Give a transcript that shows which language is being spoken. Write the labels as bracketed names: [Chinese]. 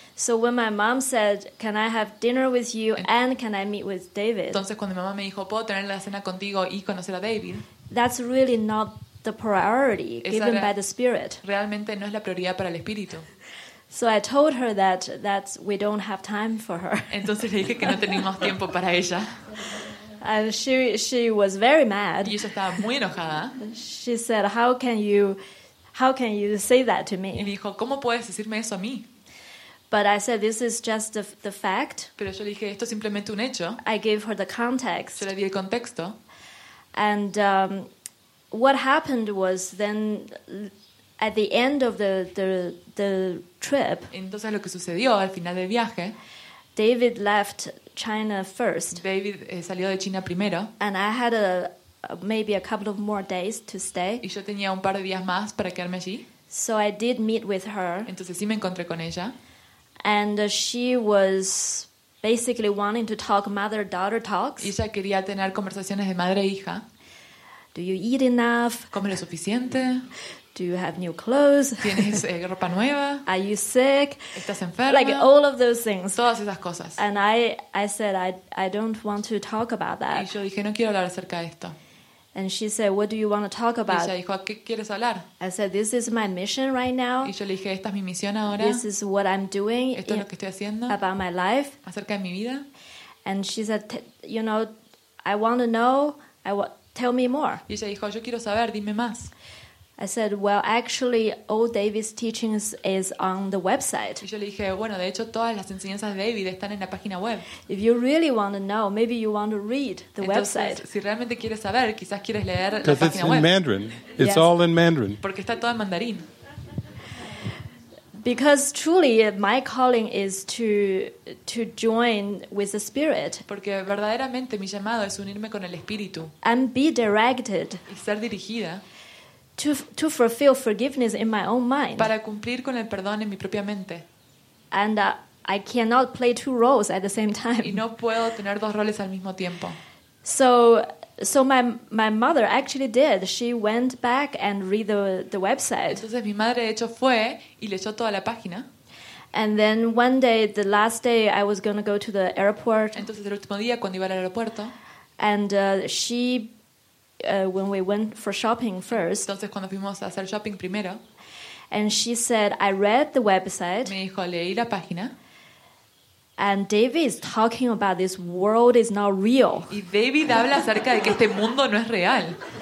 [English] So when my mom said, "Can I have dinner with you and can I meet with David?" [Spanish] Entonces cuando mi mamá me dijo, "¿Puedo tener la cena contigo y conocer a David?" [English] That's really not the priority given by the Spirit. [Spanish] Realmente no es la prioridad para el Espíritu. [English] So I told her that we don't have time for her. [Spanish] Entonces le dije que no tenemos tiempo para ella. [English] And she was very mad. [Spanish] Y ella estaba muy enojada. [English] She said, "How can you say that to me?" [Spanish] Y dijo, ¿cómo puedes decirme eso a mí? [English] But I said, "This is just the fact." [Spanish] Pero yo le dije, esto es simplemente un hecho. [English] I gave her the context. [Spanish] Yo le di el contexto. [English] And what happened was then at the end of the trip. [Spanish] Entonces lo que sucedió al final del viaje. [English] David left China first. [Spanish] David salió de China primero. [English] And I had maybe a couple of more days to stay. [Spanish] Y yo tenía un par de días más para quedarme allí. [English] So I did meet with her. [Spanish] Entonces sí me encontré con ella. [English] And she was basically wanting to talk mother-daughter talks. [Spanish] Y ella quería tener conversaciones de madre e hija. [English] Do you eat enough? [Spanish] ¿Comes lo suficiente? [English] Do you have new clothes? [Spanish] ¿Tienes ropa nueva? [English] Are you sick? [Spanish] ¿Estás enferma? [English] Like all of those things. [Spanish] Todas esas cosas. [English] And I said I don't want to talk about that. [Spanish] Y yo dije no quiero hablar acerca de esto. [English] And she said, "What do you want to talk about?" [Spanish] Y ella dijo, ¿qué quieres hablar? [English] I said, "This is my mission right now." [Spanish] Y yo le dije, esta es mi misión ahora. [English] This is what I'm doing. [Spanish] Esto es lo que estoy haciendo. [English] About my life. [Spanish] Acerca de mi vida. [English] And she said, "You know, I want to know. Tell me more." [Spanish] Y ella dijo, yo quiero saber. Dime más. [English] I said, well, actually, all David's teachings is on the website. [Spanish] Y yo le dije, bueno, de hecho, todas las enseñanzas de David están en la página web. [English] If you really want to know, maybe you want to read the [Spanish] Entonces, [English] website. [Spanish] Si realmente quieres saber, quizás quieres leer la página web. [English] it's in Mandarin. It's yes. All in Mandarin. [Spanish] Porque está todo en mandarín. [English] Because truly, my calling is to join with the Spirit. [Spanish] Porque verdaderamente mi llamado es unirme con el Espíritu. [English] And be directed. [Spanish] Y ser dirigida. [English] To fulfill forgiveness in my own mind. [Spanish] Para cumplir con el perdón en mi propia mente. [English] And I cannot play two roles at the same time. [Spanish] Y no puedo tener dos roles al mismo tiempo. [English] So my mother actually did. She went back and read the website. [Spanish] Entonces mi madre de hecho fue y leyó toda la página. [English] And then one day, the last day, I was going to go to the airport. [Spanish] Entonces el último día cuando iba al aeropuerto. [English] And she. When we went for shopping first. [Spanish] Entonces cuando fuimos a hacer shopping primero. [English] And she said, I read the website. [Spanish] Me dijo, leí la página. [English] And David is talking about this world is not real. [Spanish] Y David habla acerca de que este mundo no es real.